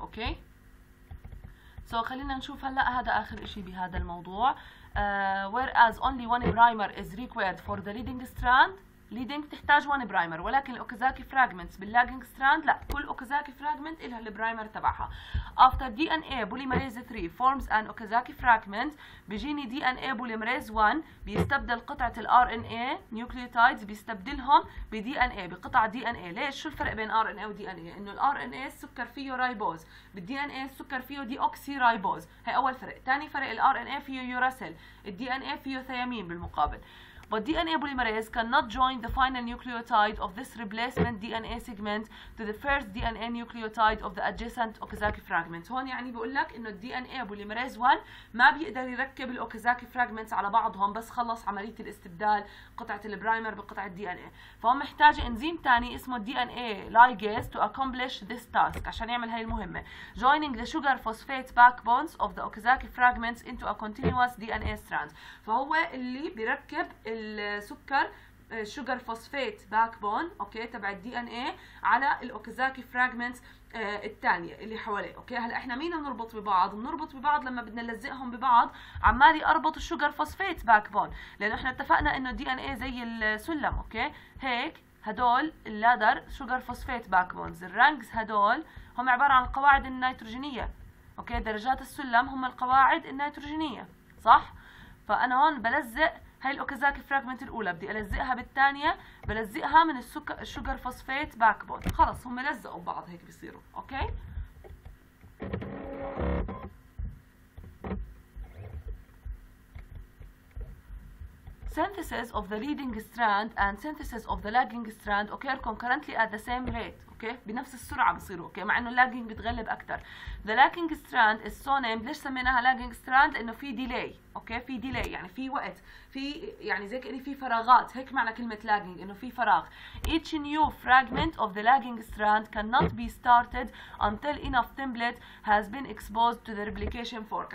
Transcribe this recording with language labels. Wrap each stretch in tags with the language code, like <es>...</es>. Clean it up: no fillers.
<ar>اوكي سو خلينا نشوف هلا هذا اخر شيء بهذا الموضوع.</ar> <en>Whereas only one primer is required for the leading strand.</en> <ar>Leading تحتاج one primer، ولكن الأوكازاكي fragments باللاجينج strand لا، كل أوكازاكي fragment إلها البرايمر تبعها.</ar> <en>After DNA polymerase 3 forms an Okazaki fragment،</en> <ar>بيجيني DNA polymerase 1 بيستبدل قطعة ال RNA nucleotides، بيستبدلهم ب DNA، بقطع DNA. ليش؟ شو الفرق بين RNA و DNA؟ إنه ال RNA السكر فيه رايبوز، بال DNA السكر فيه ديوكسي رايبوز. هي أول فرق. تاني فرق، ال RNA فيه يوراسيل، ال DNA فيه ثيامين بالمقابل.</ar> <en>But DNA polymerase cannot join the final nucleotide of this replacement DNA segment to the first DNA nucleotide of the adjacent Okazaki fragment.</en> <ar>هون يعني بيقول لك إنه DNA polymerase 1 ما بيقدر يركب الأوكازاكي fragments على بعضهم، بس خلص عملية الاستبدال قطعة البرايمر بقطعة DNA. فهم محتاجة إنزيم تاني اسمه DNA ligase</ar> <en>to accomplish this task،</en> <ar>عشان يعمل هاي المهمة.</ar> <en>Joining the sugar phosphate backbones of the Okazaki fragments into a continuous DNA strand.</en> <ar>فهو اللي بيركب السكر sugar phosphate backbone اوكي تبع الدي ان اي على الاوكازاكي فراجمنت الثانيه اللي حواليه. اوكي هلا احنا مين بنربط ببعض؟ بنربط ببعض لما بدنا نلزقهم ببعض، عمالي اربط sugar phosphate backbone، لانه احنا اتفقنا انه الدي ان اي زي السلم. اوكي هيك هدول اللادر sugar phosphate backbones، الرانجز هدول هم عباره عن القواعد النيتروجينيه. اوكي درجات السلم هم القواعد النيتروجينيه صح؟ فانا هون بلزق هاي الأوكازاكي فراغمنت الأولى، بدي ألزقها بالثانية، بلزقها من السكر فوسفيت باكبون. خلص هم لزقوا بعض هيك بيصيروا.</ar> <en>Okay synthesis of the leading strand and synthesis of the lagging strand occur concurrently at the same rate.</en> <ar>اوكي بنفس السرعه بصيروا. اوكي مع انه lagging بتغلب اكثر.</ar> <en>The lagging strand is so named.</en> <ar>ليش سميناها lagging strand؟ لانه في delay. اوكي في delay يعني في وقت، في يعني زي كأني في فراغات، هيك معنى كلمه lagging انه في فراغ.</ar> <en>Each new fragment of the lagging strand cannot be started until enough template has been exposed to the replication fork.</en>